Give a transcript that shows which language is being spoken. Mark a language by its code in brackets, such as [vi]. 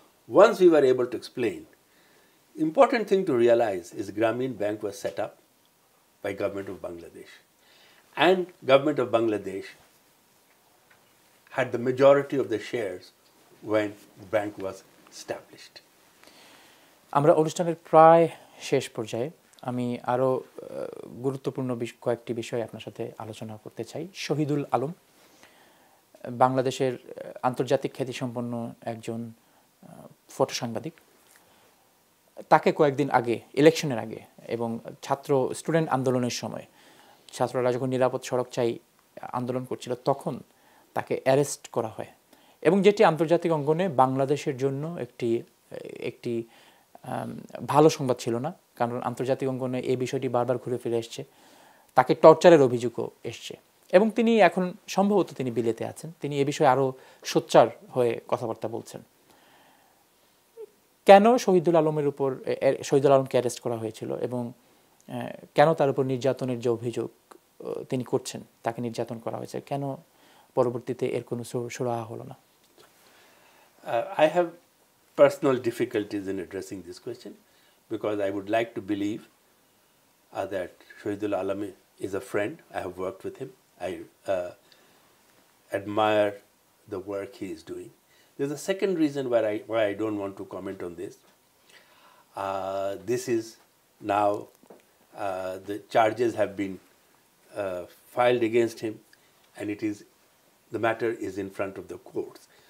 [en] Once we were able to explain, important thing to realize is Grameen Bank was set up by government of Bangladesh, and government of Bangladesh had the majority of the shares when the bank was established. [bn] আমরা অনুষ্ঠানের প্রায় শেষ পর্যায়ে আমি আরো গুরুত্বপূর্ণ কয়েকটি বিষয় আপনার সাথে আলোচনা করতে চাই। শহীদুল আলম বাংলাদেশের আন্তর্জাতিক খ্যাতি সম্পন্ন একজন ফটো সাংবাদিক, তাকে কয়েকদিন আগে ইলেকশনের আগে এবং ছাত্র স্টুডেন্ট আন্দোলনের সময়, ছাত্ররা যখন নিরাপদ সড়ক চাই আন্দোলন করছিল, তখন তাকে অ্যারেস্ট করা হয় এবং যেটি আন্তর্জাতিক অঙ্গনে বাংলাদেশের জন্য একটি ভালো সংবাদ ছিল না, কারণ আন্তর্জাতিক অঙ্গনে এই বিষয়টি বারবার ঘুরে ফিরে এসেছে, তাকে টর্চারের অভিযোগও এসছে এবং তিনি এখন সম্ভবত তিনি বিলেতে আছেন, তিনি এ বিষয়ে আরও সোচ্চার হয়ে কথাবার্তা বলছেন। কেন শহীদুল আলমের উপর শহীদুল আলমকে অ্যারেস্ট করা হয়েছিল এবং কেন তার উপর নির্যাতনের যে অভিযোগ তিনি করছেন তাকে নির্যাতন করা হয়েছে, কেন পরবর্তীতে এর কোনো সুরাহা হলো না? [en] I have personal difficulties in addressing this question because I would like to believe that Shahidul Alam is a friend. I have worked with him. I admire the work he is doing. There's a second reason why I don't want to comment on this. This is now, the charges have been filed against him and the matter is in front of the courts.